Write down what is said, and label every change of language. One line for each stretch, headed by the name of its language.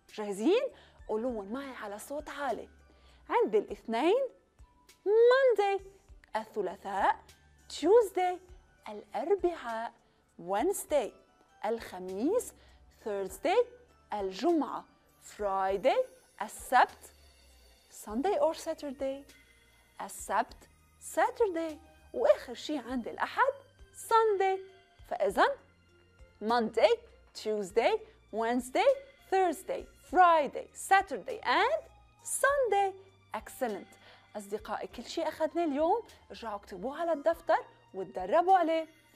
Arabic: جاهزين؟ قولون معي على صوت عالي. عندي الاثنين Monday، الثلاثاء Tuesday، الأربعاء Wednesday، الخميس Thursday، الجمعة Friday، السبت Sunday or Saturday، السبت Saturday، وآخر شيء عندي الأحد Sunday.
English: فإذا Monday Tuesday Wednesday Thursday Friday, Saturday and Sunday. Excellent.
Arabic: أصدقائي كل شيء أخذناه اليوم رجعوا اكتبوه على الدفتر وتدربوا عليه.